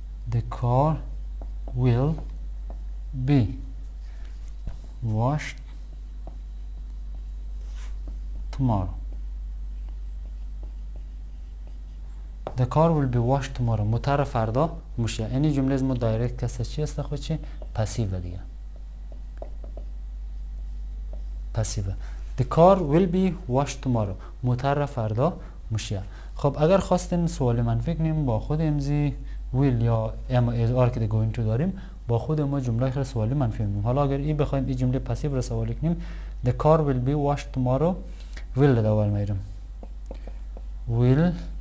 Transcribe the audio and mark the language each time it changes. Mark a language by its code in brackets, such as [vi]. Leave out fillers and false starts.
[en] The car will be washed tomorrow. The car will be washed tomorrow. [fa] موتر فردا میشه. این جمله از ما دایرکت کسی چی است خود چی؟ پسیوه دیگه. پسیوه. [en] The car will be washed tomorrow. [fa] موتر فردا میشه. خب اگر خواستین سوال منفی کنیم با خود امزی will یا ام از آر که going to داریم با خود ما جمله خیلی سوالی منفی کنیم. حالا اگر این بخوایم این جمله پسیو را سوالی کنیم [en] The car will be washed tomorrow [fa] will دوال میرم will